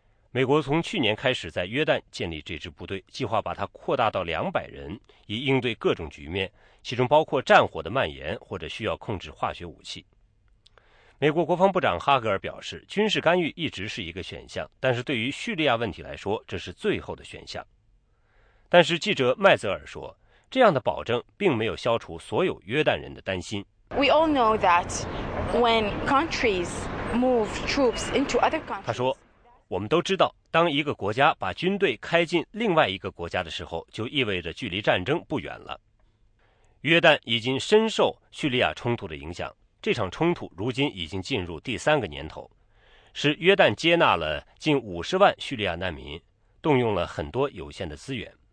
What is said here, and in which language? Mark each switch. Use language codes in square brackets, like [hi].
[zh] 美国从去年开始在约旦建立这支部队，计划把它扩大到200人，以应对各种局面，其中包括战火的蔓延或者需要控制化学武器。美国国防部长哈格尔表示，军事干预一直是一个选项，但是对于叙利亚问题来说，这是最后的选项。但是记者麦泽尔说，这样的保证并没有消除所有约旦人的担心。 [en] We all know that when countries move troops into other countries， [zh] 他说，我们都知道，当一个国家把军队开进另外一个国家的时候，就意味着距离战争不远了。约旦已经深受叙利亚冲突的影响，这场冲突如今已经进入第三个年头，使约旦接纳了近50万叙利亚难民，动用了很多有限的资源。